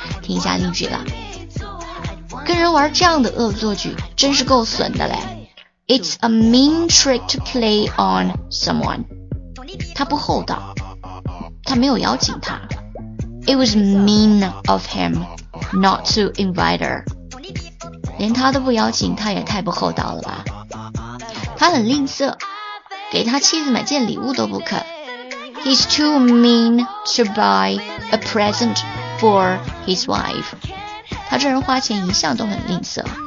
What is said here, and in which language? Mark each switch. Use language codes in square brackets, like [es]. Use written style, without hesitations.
[zh] 听一下例句了，跟人玩这样的恶作剧真是够损的嘞。 [en] It's a mean trick to play on someone. [zh] 他不厚道，他没有邀请他。 [en] It was mean of him not to invite her. [zh] 连他都不邀请，他也太不厚道了吧。他很吝啬，给他妻子买件礼物都不肯。 [en] He's too mean to buy a present for his wife. [zh] 他这人花钱一向都很吝啬。